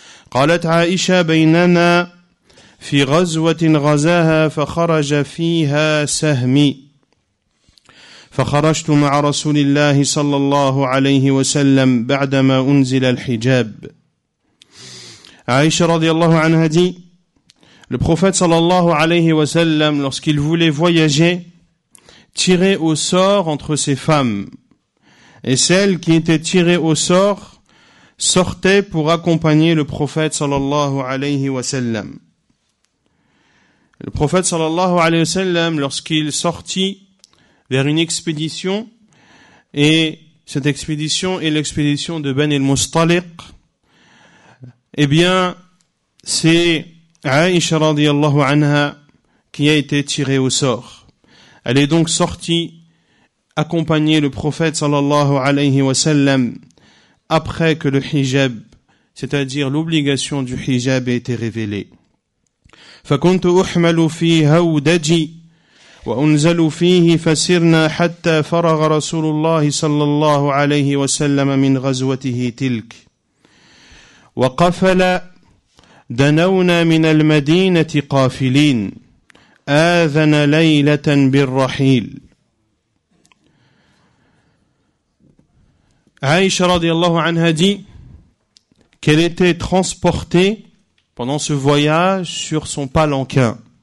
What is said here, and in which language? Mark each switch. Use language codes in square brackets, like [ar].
[ar] قالت عائشة بيننا في غزوة غزاها فخرج فيها سهمي. فخرجت مع رسول الله صلى الله عليه وسلم بعدما أنزل الحجاب. عائشة رضي الله عنها دي. [fr] Le prophète صلى الله عليه وسلم, lorsqu'il voulait voyager, tiré au sort entre ses femmes, et celle qui était tirée au sort sortait pour accompagner le prophète sallallahu alayhi wa sallam. Le prophète sallallahu alayhi wa sallam, lorsqu'il sortit vers une expédition, et cette expédition est l'expédition de Ben el-Mustaliq, eh bien, c'est Aïcha radiallahu anha qui a été tirée au sort. Elle est donc sortie accompagner le prophète sallallahu alayhi wa sallam après que le hijab, c'est-à-dire l'obligation du hijab, ait été révélée. [ar] فكنت أحمل في هودجي وأنزل فيه فسرنا حتى فرغ رسول الله صلى الله عليه وسلم من غزوته تلك وقفل دنونا من المدينة قافلين آذن ليلة بالرحيل. عائشة رضي الله عنها دي [fr] qu'elle était transportée pendant ce voyage sur son palanquin.